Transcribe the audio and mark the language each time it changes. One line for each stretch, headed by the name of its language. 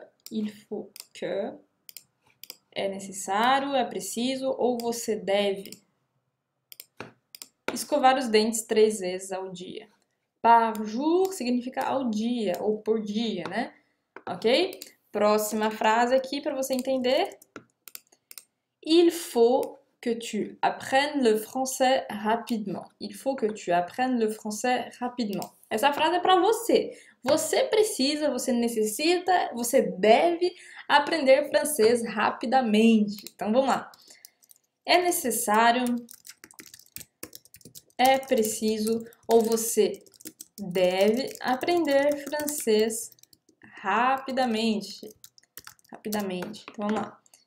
Portuguese: Il faut que é necessário, é preciso ou você deve escovar os dentes 3 vezes ao dia. Par jour significa ao dia ou por dia, né? Ok? Próxima frase aqui para você entender.
French: Il faut que tu apprennes le français rapidement. Il faut que tu apprennes le français rapidement.
Portuguese: Essa frase é para você. Você precisa, você necessita, você deve aprender francês rapidamente. Então vamos lá. É necessário, é preciso ou você deve aprender francês rapidamente. Rapidamente. Então vamos lá.